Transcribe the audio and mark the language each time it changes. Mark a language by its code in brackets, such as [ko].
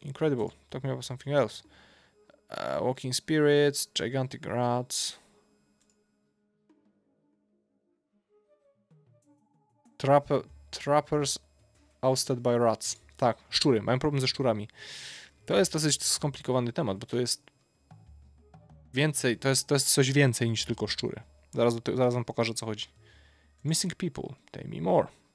[en] Incredible, talk me about something else. Walking spirits, gigantic rats. Trappers ousted by rats. [pl] Tak, szczury, mają problem ze szczurami. To jest dosyć skomplikowany temat, bo to jest więcej, to jest coś więcej niż tylko szczury. Zaraz wam pokażę, co chodzi. [en] Missing people, tell me more.